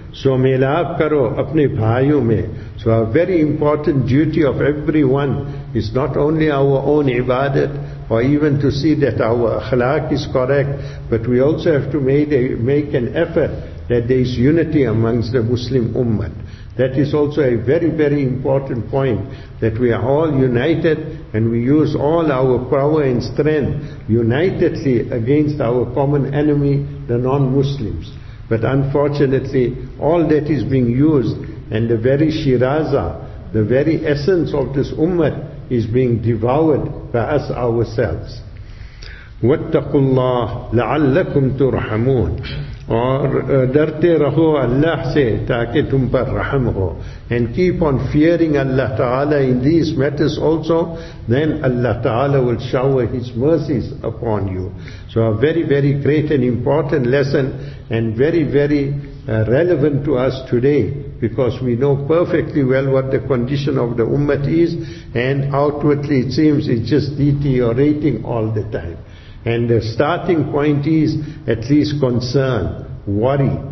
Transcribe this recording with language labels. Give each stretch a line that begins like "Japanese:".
Urdu: So ملاب کرو اپنے بھائیوں میں.
English: So a very important duty of everyone is not only our own ibadat or even to see that our akhlaq is correct, but we also have to make an effort that there is unity amongst the Muslim ummah. That is also a very, very important point, that we are all united and we use all our power and strength unitedly against our common enemy, the non-Muslims. But unfortunately, all that is being used, and the very shiraza, the very essence of this ummah, is being devoured by us ourselves.
Arabic: وَاتَّقُوا اللَّهِ لَعَلَّكُمْ تُرْحَمُونَ.
Urdu: اور ڈرتے رہو اللہ سے تاکہ تم پر رحم ہو.
English: And keep on fearing Allah Ta'ala in these matters also, then Allah Ta'ala will shower His mercies upon you. So a very, very great and important lesson, and very, very relevant to us today, because we know perfectly well what the condition of the ummah is, and outwardly it seems it's just deteriorating all the time. And the starting point is at least concern, worry,